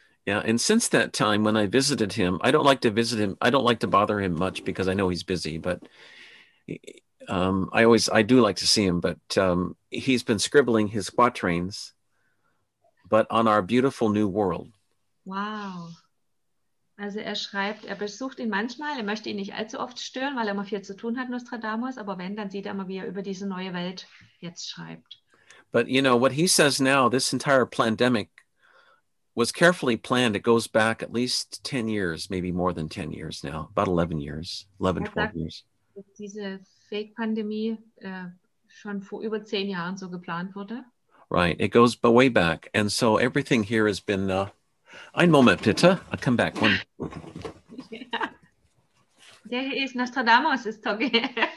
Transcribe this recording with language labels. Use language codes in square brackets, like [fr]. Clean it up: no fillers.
[en] Yeah, and since that time when I visited him, I don't like to visit him, I don't like to bother him much because I know he's busy, but I do like to see him, but he's been scribbling his quatrains, but on our beautiful new world. Wow. [de] Also er schreibt, er besucht ihn manchmal, er möchte ihn nicht allzu oft stören, weil er immer viel zu tun hat, Nostradamus, aber wenn, dann sieht er immer, wie er über diese neue Welt jetzt schreibt. [en] But you know, what he says now, this entire pandemic was carefully planned. It goes back at least 10 years, maybe more than 10 years now, about 11 years, 11, 12 years. [de] Diese Fake-Pandemie schon vor über 10 Jahren so geplant wurde. [en] Right, it goes way back. And so everything here has been... [de] Ein Moment, bitte. [en] I'll come back. One. Yeah. There he is. Nostradamus is talking.